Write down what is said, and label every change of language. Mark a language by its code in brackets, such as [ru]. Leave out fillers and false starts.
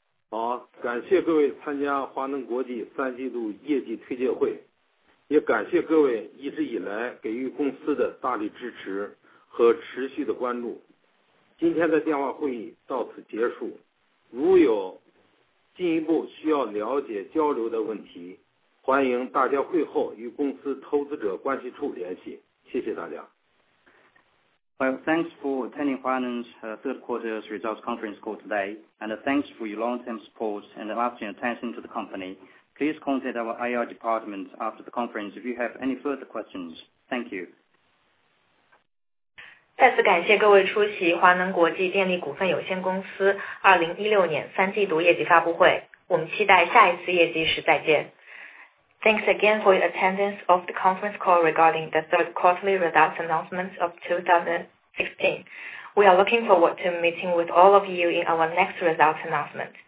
[zh] 好，感谢各位参加华能国际三季度业绩推介会，也感谢各位一直以来给予公司的大力支持和持续的关注。今天的电话会议到此结束，如有进一步需要了解交流的问题，欢迎大家会后与公司投资者关系处联系。谢谢大家。 [en] Well, thanks for attending Huaneng's third quarter's results conference call today, and thanks for your long-term support and lasting attention to the company. Please contact our IR department after the conference if you have any further questions. Thank you. [zh] 再次感谢各位出席华能国际电力股份有限公司2016年三季度业绩发布会，我们期待下一次业绩时再见。 [en] Thanks again for your attendance of the conference call regarding the third quarterly results announcements of 2016. We are looking forward to meeting with all of you in our next results announcement.